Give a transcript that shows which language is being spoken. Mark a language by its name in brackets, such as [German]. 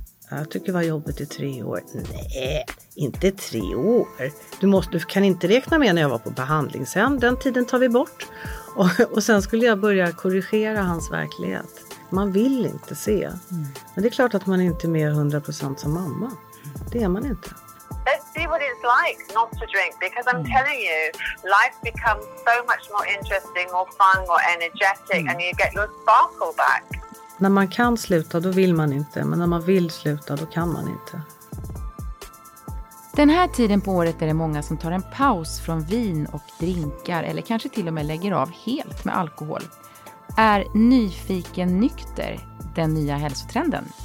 [Swedish] Jag tycker det var jobbigt i 3 år. Nej, inte 3 år. Du kan inte räkna med när jag var på behandlingshem. Den tiden tar vi bort. Och sen skulle jag börja korrigera hans verklighet. Man vill inte se. Mm. Men det är klart att man inte är med 100% som mamma. Det är man inte. [English] Let's see what it's like not to drink. Because I'm telling you, life becomes so much more interesting, more fun, more energetic. Mm. And you get your sparkle back. [Swedish] När man kan sluta, då vill man inte. Men när man vill sluta, då kan man inte. Den här tiden på året är det många som tar en paus från vin och drinkar. Eller kanske till och med lägger av helt med alkohol. Är nyfiken nykter den nya hälsotrenden?